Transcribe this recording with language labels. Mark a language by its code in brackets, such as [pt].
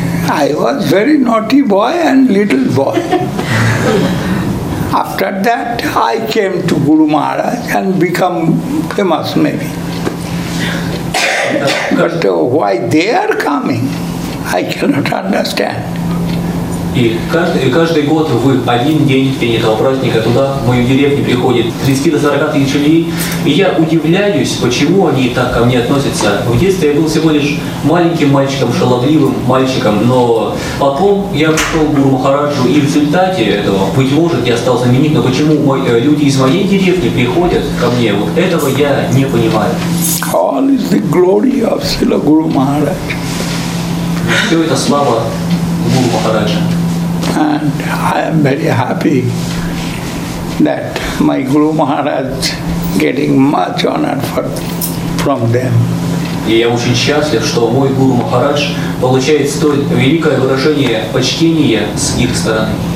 [en] I was very naughty boy and little boy. After that, I came to Guru Maharaj and become famous maybe. But why they are coming, I cannot understand. [ru] И каждый год в один день, в день этого праздника, туда, в мою деревню, приходит 30-40 тысяч людей. И я удивляюсь, почему они так ко мне относятся. В детстве я был всего лишь маленьким мальчиком, шаловливым мальчиком, но потом я пришел к Гуру Махараджу, и в результате этого, быть может, я стал знаменит, но почему люди из моей деревни приходят ко мне, вот этого я не понимаю. [en] All is the glory of Srila Guru Maharaj. [ru] Все это слава Гуру Махараджа. [en] And I am very happy that my Guru Maharaj getting much honor from them. [ru] И я очень счастлив, что мой Гуру Махарадж получает столь великое выражение почтения с их стороны.